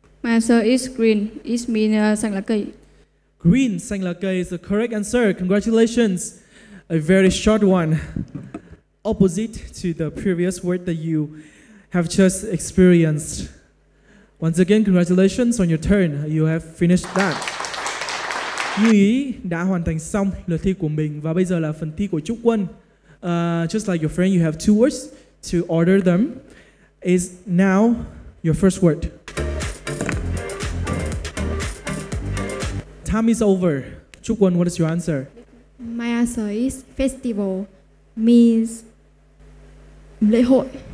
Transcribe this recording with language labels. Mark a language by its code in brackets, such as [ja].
[en] My answer is green. It means [vi] xanh lá cây. [en] Green, [vi] xanh lá cây [en] is the correct answer. Congratulations. A very short one. Opposite to the previous word that you have just experienced. Once again, congratulations on your turn. You have finished that. [vi] Như Ý đã hoàn thành xong lượt thi của mình và bây giờ là phần thi của Trúc Quân. [en] Just like your friend, you have two words to order them. Is now your first word. Time is over. Trúc Quân, what is your answer? My answer is festival means [vi] lễ hội.